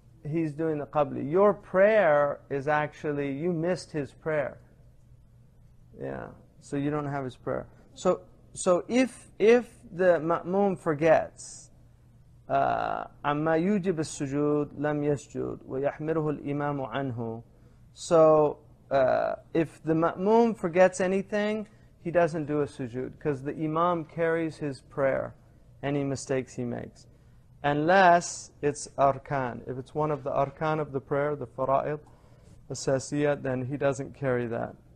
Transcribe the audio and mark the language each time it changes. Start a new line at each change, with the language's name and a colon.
English: He's doing the qabli. Your prayer is actually, you missed his prayer. Yeah, so you don't have his prayer. So if the ma'mum forgets,
Arabic: عما يوجب السجود لم يسجد ويحمره الإمام عنه.
English: So if the ma'moom forgets anything, he doesn't do a sujood because the imam carries his prayer, any mistakes he makes. Unless it's arkan. If it's one of the arkan of the prayer, the fara'id, asasiyat, then he doesn't carry that.